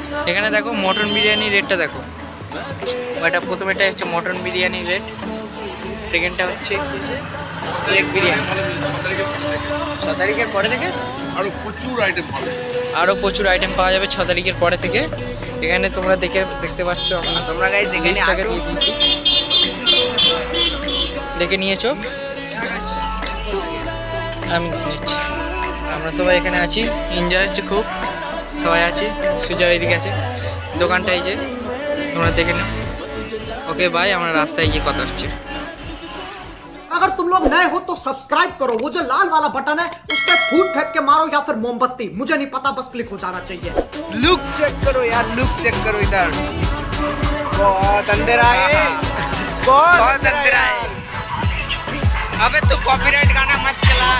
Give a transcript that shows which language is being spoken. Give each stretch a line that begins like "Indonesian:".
Bangla: এখানে দেখো মটন বিরিয়ানির রেটটা দেখো ওটা প্রথমটা হচ্ছে মটন বিরিয়ানির রেট সেকেন্ডটা হচ্ছে এক বিরিয়ানি 6 তারিখের পরে থেকে আরো প্রচুর আইটেম পাওয়া যাবে 6 তারিখের পরে থেকে এখানে তোমরা দেখতে পাচ্ছ তোমরা গাইস এখানে আসো দিয়ে দিচ্ছি দেখে নিয়েছো আমি নিচ্ছি আমরা সবাই এখানে আছি এনজয় হচ্ছে খুব সবাই আছি সুজা এদিকে আছে দোকানটাই যে তোমরা দেখে নাও ওকে ভাই আমরা রাস্তায় গিয়ে কথা হচ্ছে
Hindi: अगर तुम लोग नए हो तो सब्सक्राइब करो वो जो लाल वाला बटन है उस पे फूट फेंक के मारो या फिर मोमबत्ती मुझे नहीं पता बस क्लिक हो जाना चाहिए लुक चेक करो यार लुक चेक करो इधर बहुत अंधेरा है बहुत अंधेरा है अबे तू कॉपीराइट गाना मत चला